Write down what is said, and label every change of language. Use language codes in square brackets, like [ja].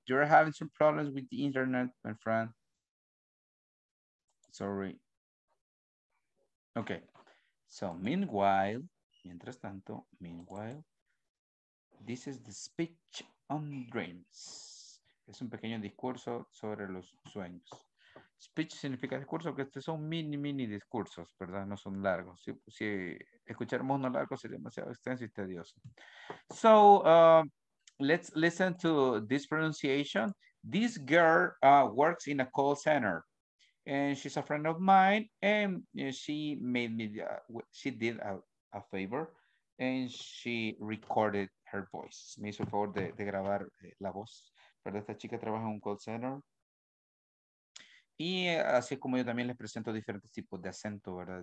[en] You're having some problems with the internet, my friend. Sorry. Okay. So meanwhile, [es] mientras tanto, [en] meanwhile, this is the speech on dreams. [es] Es un pequeño discurso sobre los sueños. Speech significa discurso, que estos son mini, mini discursos, ¿verdad? No son largos. Si, si escucháramos uno largo, sería demasiado extenso y tedioso. [en] So, let's listen to this pronunciation. This girl works in a call center. And she's a friend of mine. And she made me, she did a favor. And she recorded her voice. [es] Me hizo el favor de grabar la voz. ¿Verdad? Esta chica trabaja en un call center. Y así es como yo también les presento diferentes tipos de acento, ¿verdad?